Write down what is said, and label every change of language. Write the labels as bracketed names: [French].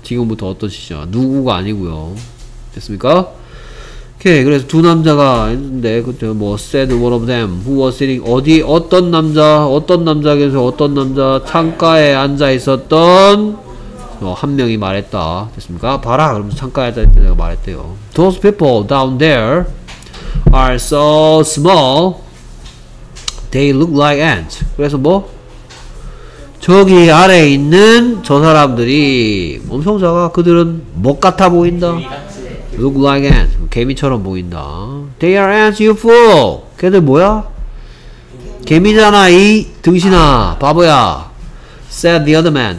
[Korean] 지금부터 어떤 시점? 누구가 아니고요. 됐습니까? 오케이. 그래서 두 남자가 있는데 그때 뭐 [English] Said one of them. Who was sitting. [Korean] 어디 어떤 남자 어떤 남자 그래서 어떤 남자 창가에 앉아있었던 한 명이 말했다. 됐습니까? 봐라! 그러면서 창가에 앉아있던 내가 말했대요. [English] Those people down there are so small they look like ants. [Korean] 그래서 뭐? 저기 아래 있는 저 사람들이 엄청 작아. 그들은 못 같아 보인다. [English] Look like ants. [Korean] 개미처럼 보인다. [English] They are ants, you fool! [Korean] 걔들 뭐야? 개미잖아, 이 등신아. 바보야. [English] Said the other man.